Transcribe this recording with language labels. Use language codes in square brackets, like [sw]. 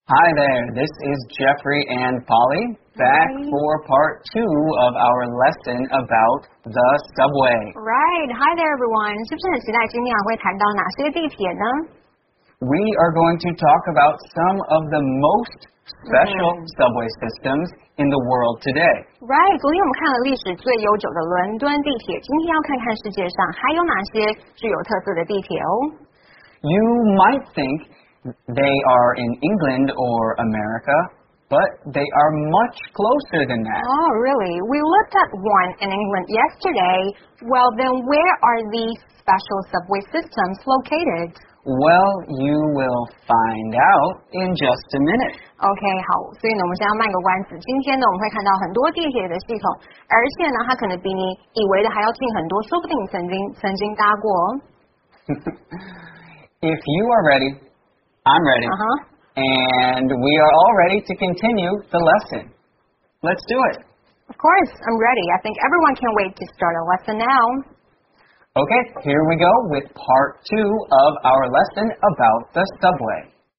[en] Hi there, this is Jeffrey and Polly, back for part two of our lesson about the subway. Right, hi there everyone. [zh] 是不是很期待今天会谈到哪些地铁呢? [en] We are going to talk about some of the most special subway systems in the world today. [zh] Right, 昨天我们看了历史最悠久的伦敦地铁，今天要看看世界上还有哪些具有特色的地铁哦。 [en] You might think... They are in England or America, but they are much closer than that. Oh, really? We looked at one in England yesterday. Well, then where are these special subway systems located? Well, you will find out in just a minute. [zh] Okay, 好，所以呢，我们先要卖个关子。今天呢，我们会看到很多地铁的系统，而且呢，它可能比你以为的还要近很多，说不定曾经搭过。 [en] If you are ready... I'm ready. Uh-huh. And we are all ready to continue the lesson. Let's do it. Of course, I'm ready. I think everyone can't wait to start a lesson now. Okay, here we go with part two of our lesson about the subway.